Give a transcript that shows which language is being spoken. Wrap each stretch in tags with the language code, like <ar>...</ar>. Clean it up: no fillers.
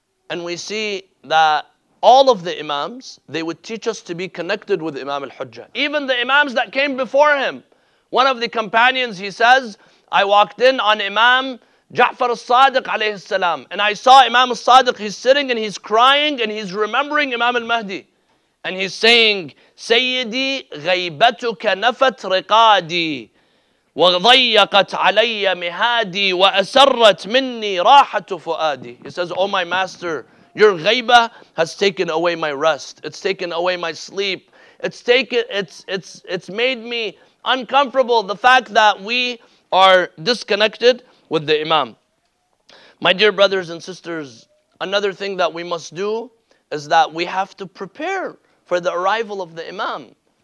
<en>And we see that all of the Imams, they would teach us to be connected with Imam al-Hujjah. Even the Imams that came before him. One of the companions, he says, I walked in on Imam Ja'far al-Sadiq alayhi salam and I saw Imam al-Sadiq, he's sitting and he's crying and he's remembering Imam al-Mahdi. And he's saying,</en> <ar>سيدي غيبتك نفت رقادي وضيقت علي مهادي وأسرت مني راحة فؤادي.</ar> <en>He says, Oh my master, Your ghaibah has taken away my rest. It's taken away my sleep. It's made me uncomfortable, the fact that we are disconnected with the Imam. My dear brothers and sisters, another thing that we must do is that we have to prepare for the arrival of the Imam.</en>